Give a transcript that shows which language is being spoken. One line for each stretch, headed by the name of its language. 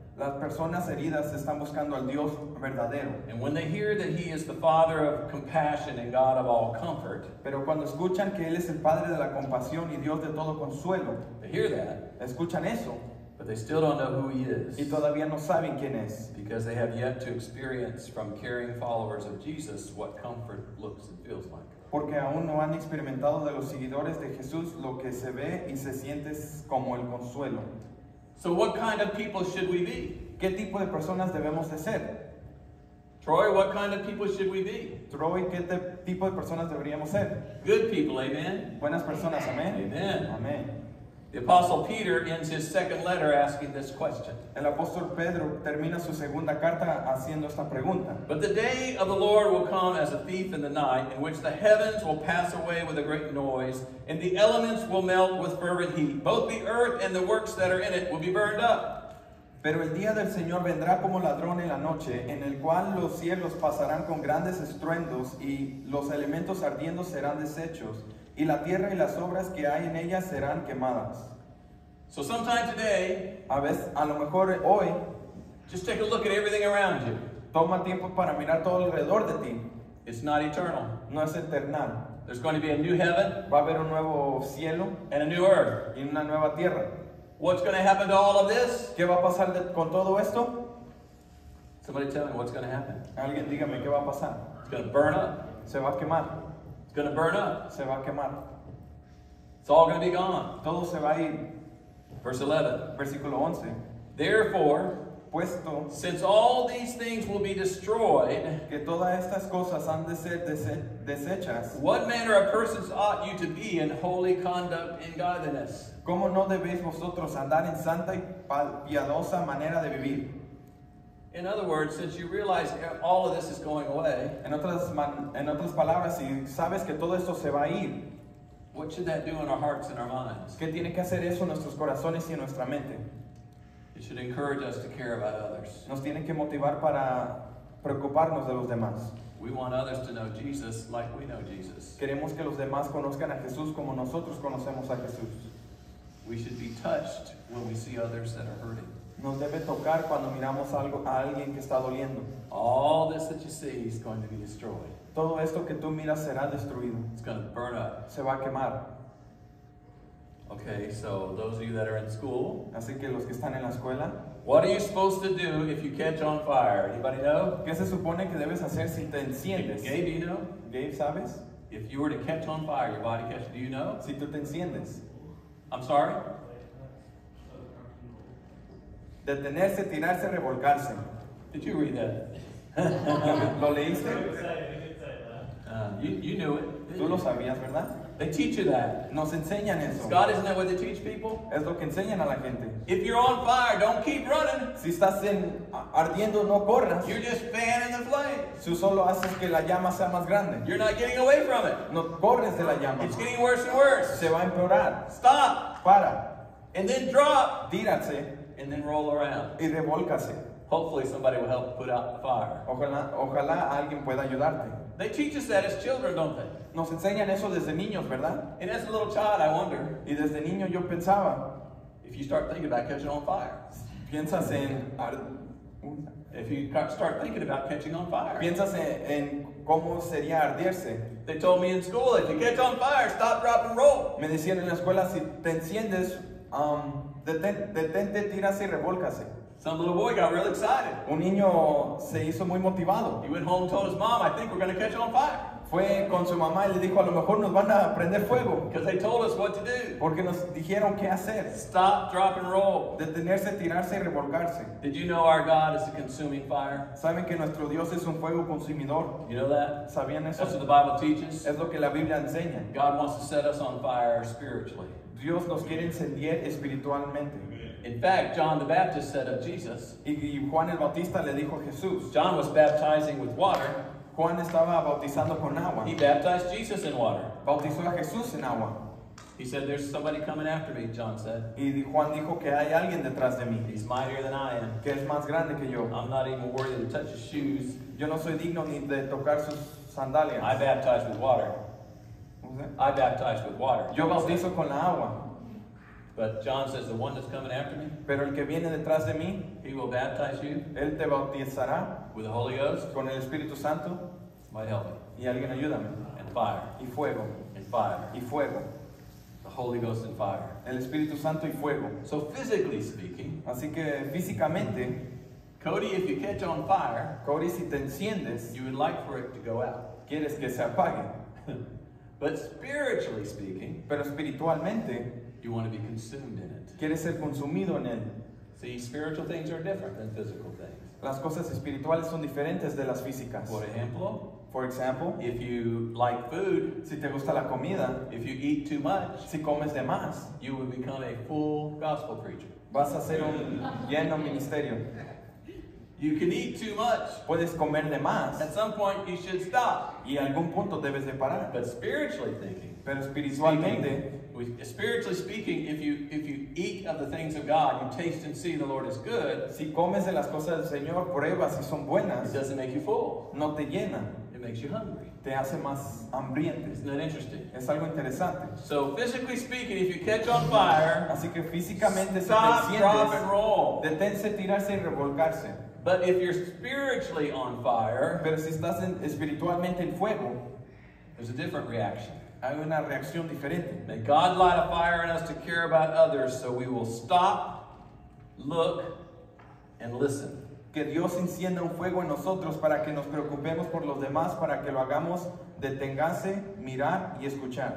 Spanish: Las personas heridas están buscando al Dios verdadero.
English: And when they hear that he is the Father of compassion and God of all comfort,
Spanish: pero cuando escuchan que él es el Padre de la compasión y Dios de todo consuelo,
English: they hear that,
Spanish: escuchan eso,
English: but they still don't know who he is.
Spanish: Y todavía no saben quién es.
English: Because they have yet to experience from caring followers of Jesus what comfort looks and feels like.
Spanish: Porque aún no han experimentado de los seguidores de Jesús lo que se ve y se siente como el consuelo.
English: So what kind of people should we be?
Spanish: ¿Qué tipo de personas debemos de ser?
English: Troy, what kind of people should we be?
Spanish: Troy, ¿qué tipo de personas deberíamos ser?
English: Good people, amen.
Spanish: Buenas personas, amen.
English: Amen.
Spanish: Amen.
English: The Apostle Peter ends his second letter asking this question.
Spanish: El apóstol Pedro termina su segunda carta haciendo esta pregunta.
English: But the day of the Lord will come as a thief in the night, in which the heavens will pass away with a great noise, and the elements will melt with fervent heat. Both the earth and the works that are in it will be burned up.
Spanish: Pero el día del Señor vendrá como ladrón en la noche, en el cual los cielos pasarán con grandes estruendos, y los elementos ardiendo serán deshechos. Y la tierra y las obras que hay en ellas serán quemadas.
English: So sometime today,
Spanish: a lo mejor hoy,
English: just take a look at everything around you.
Spanish: Toma tiempo para mirar todo alrededor de ti.
English: It's not eternal.
Spanish: No es eternal.
English: There's going to be a new heaven.
Spanish: Va a haber un nuevo cielo.
English: And a new earth.
Spanish: Y una nueva tierra.
English: What's going to happen to all of this?
Spanish: ¿Qué va a pasar con todo esto?
English: Somebody tell me what's going to happen.
Spanish: Alguien dígame qué va a pasar.
English: It's going to burn up.
Spanish: Se va a quemar.
English: It's going to burn up.
Spanish: Se va a quemar.
English: It's all going to be gone.
Spanish: Todo se va a ir.
English: Verse 11.
Spanish: Versículo 11.
English: Therefore,
Spanish: puesto,
English: since all these things will be destroyed,
Spanish: que todas estas cosas han de ser deshechas,
English: what manner of persons ought you to be in holy conduct and godliness?
Spanish: ¿Cómo no debéis vosotros andar en santa y piadosa manera de vivir?
English: In other words, since you realize all of this is going away,
Spanish: en otras palabras, si sabes que todo esto se va a ir,
English: what should that do in our hearts and our minds?
Spanish: ¿Qué tiene que hacer eso en nuestros corazones y en nuestra mente?
English: It should encourage us to care about others.
Spanish: Nos tiene que motivar para preocuparnos de los demás.
English: We want others to know Jesus like we know Jesus.
Spanish: Queremos que los demás conozcan a Jesús como nosotros conocemos a Jesús.
English: We should be touched when we see others that are hurting.
Spanish: Nos debe tocar cuando miramos algo a alguien que está doliendo.
English: All this that you see is going to be destroyed.
Spanish: Todo esto que tú miras será destruido.
English: It's going to burn up.
Spanish: Se va a quemar.
English: Okay, so those of you that are in school.
Spanish: Así que los que están en la escuela.
English: What are you supposed to do if you catch on fire? Anybody know?
Spanish: ¿Qué se supone que debes hacer si te enciendes?
English: Gabe, you know?
Spanish: Gabe, ¿sabes?
English: If you were to catch on fire, your body catches. Do you know?
Spanish: Si tú te enciendes.
English: I'm sorry?
Spanish: Detenerse, tirarse, revolcarse.
English: Did you read that?
Spanish: ¿Lo leíste?
English: You knew it.
Spanish: Tú lo sabías, ¿verdad?
English: They teach you that.
Spanish: Nos enseñan eso.
English: God, isn't that what they teach people?
Spanish: Es lo que enseñan a la gente.
English: If you're on fire, don't keep running.
Spanish: Si estás ardiendo, no corras.
English: You're just fanning the flame.
Spanish: Si solo haces que la llama sea más grande.
English: You're not getting away from it.
Spanish: No corres de la llama.
English: It's getting worse and worse.
Spanish: Se va a empeorar.
English: Stop.
Spanish: Para.
English: And then drop.
Spanish: Tírate.
English: And then roll around.
Spanish: Y revólcase.
English: Hopefully somebody will help put out the fire.
Spanish: Ojalá alguien pueda ayudarte.
English: They teach us that as children, don't they?
Spanish: Nos enseñan eso desde niños, ¿verdad?
English: And as a little child, I wonder.
Spanish: Y desde niño yo pensaba.
English: If you start thinking about catching on fire.
Spanish: Piensas en...
English: If you start thinking about catching on fire.
Spanish: Piensas en cómo sería arderse.
English: They told me in school, if you catch on fire, stop, drop, and roll.
Spanish: Me decían en la escuela, si te enciendes, detente, tírase y revólcase.
English: Some little boy got real excited.
Spanish: Un niño se hizo muy motivado.
English: He went home and told his mom, I think we're going to catch on fire.
Spanish: Fue con su mamá y le dijo, a lo mejor nos van a prender fuego.
English: Because they told us what to do.
Spanish: Porque nos dijeron qué hacer.
English: Stop, drop, and roll.
Spanish: Detenerse, tirarse y revolcarse.
English: Did you know our God is a consuming fire?
Spanish: ¿Saben que nuestro Dios es un fuego consumidor?
English: You know that?
Spanish: ¿Sabían eso?
English: That's what the Bible teaches.
Spanish: Es lo que la Biblia enseña.
English: God wants to set us on fire spiritually.
Spanish: Dios nos quiere encender espiritualmente.
English: In fact, John the Baptist said of Jesus.
Spanish: Y Juan el Bautista le dijo a Jesús.
English: John was baptizing with water.
Spanish: Juan estaba bautizando con agua.
English: He baptized Jesus in water.
Spanish: Bautizó a Jesús en agua.
English: He said, "There's somebody coming after me," John said.
Spanish: Y Juan dijo que hay alguien detrás de mí.
English: He's mightier than I am.
Spanish: Que es más grande que yo.
English: I'm not even worthy to touch his shoes.
Spanish: Yo no soy digno ni de tocar sus sandalias.
English: I baptized with water. I baptized with water.
Spanish: Yo bautizo con la agua.
English: But John says, "The one that's coming after me."
Spanish: Pero el que viene detrás de mí.
English: He will baptize you.
Spanish: Él te bautizará.
English: With the Holy Ghost.
Spanish: Con el Espíritu Santo.
English: By helping.
Spanish: Y alguien ayúdame.
English: And fire.
Spanish: Y fuego.
English: And fire.
Spanish: Y fuego.
English: The Holy Ghost and fire.
Spanish: El Espíritu Santo y fuego.
English: So physically speaking.
Spanish: Así que físicamente.
English: Cody, if you catch on fire.
Spanish: Cody, si te enciendes.
English: You would like for it to go out.
Spanish: Quieres que se apague.
English: But spiritually speaking.
Spanish: Pero espiritualmente.
English: You want to be consumed in it.
Spanish: Quieres ser consumido en él.
English: See, spiritual things are different than physical things.
Spanish: Las cosas espirituales son diferentes de las físicas. Por ejemplo,
English: for example, if you like food,
Spanish: si te gusta la comida,
English: if you eat too much,
Spanish: si comes de más,
English: you will become a full gospel preacher.
Spanish: Vas a ser un lleno ministerio.
English: You can eat too much.
Spanish: Puedes comer de más.
English: At some point you should stop.
Spanish: Y algún punto debes de parar.
English: But spiritually thinking,
Spanish: pero espiritualmente,
English: spiritually speaking, if you eat of the things of God, you taste and see the Lord is good.
Spanish: Si comes de las cosas del Señor, pruebas si son buenas.
English: It doesn't make you full.
Spanish: No te llena.
English: It makes you hungry.
Spanish: Te hace más hambriento.
English: Isn't that interesting?
Spanish: Es algo interesante.
English: So physically speaking, if you catch on fire,
Spanish: así que físicamente,
English: stop,
Spanish: si te sientes,
English: drop, and roll.
Spanish: Deténse, tirarse y revolcarse.
English: But if you're spiritually on fire,
Spanish: pero si estás espiritualmente en fuego,
English: there's a different reaction.
Spanish: Hay una reacción diferente.
English: May God light a fire in us to care about others, so we will stop, look, and listen.
Spanish: Que Dios encienda un fuego en nosotros para que nos preocupemos por los demás, para que lo hagamos deténganse, mirar y escuchar.